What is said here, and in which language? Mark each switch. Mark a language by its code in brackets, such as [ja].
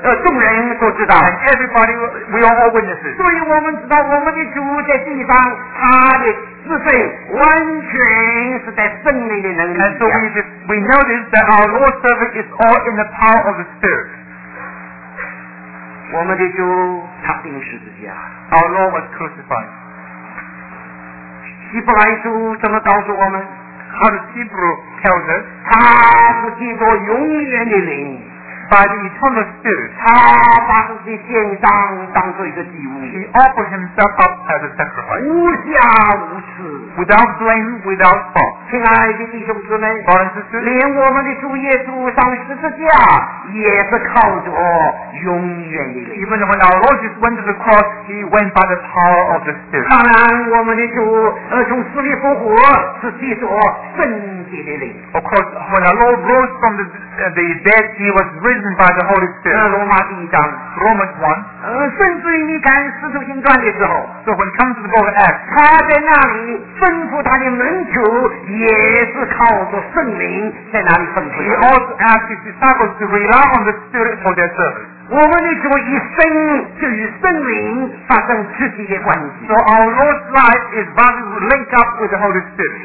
[zh] 这是众人都知道 [en] and everybody, we are all witnesses. [zh] 所以我们知道我们的主在地方他的自费完全是在圣灵的能力 [en] and so we notice that our Lord's service is all in the power of the Spirit. [zh] 我们的主他钉十字架 [en] Our Lord was crucified. [zh] 希伯来书怎么告诉我们 [en] How does Hebrew tell us? [zh] 他是借着永远的灵 [en] By the eternal Spirit. [zh] 他把自己献上当作一个祭物 [en] He offered himself up as a sacrifice. [zh] 无瑕无疵 [en] Without blame, without fault. [zh] 亲爱的弟兄姊妹 [en] Brothers and sisters, [zh] 连我们的主耶稣上十字架也是靠着永远的灵 [en] Even when our Lord just went to the cross He went by the power of the Spirit [zh] 当然我们的主从死里复活是借着圣 [en] Of course, when our Lord rose from the dead, He was risen by the Holy Spirit. Romans 1. So when it comes to the book of Acts, [zh] 他在那里吩咐他的门徒，也是靠着圣灵在那里吩咐。 [en] He also asked His disciples to rely on the Spirit for their service. [zh] 我们的主一生就与圣灵发生直接的关系。 [en] So our Lord's life is linked up with the Holy Spirit.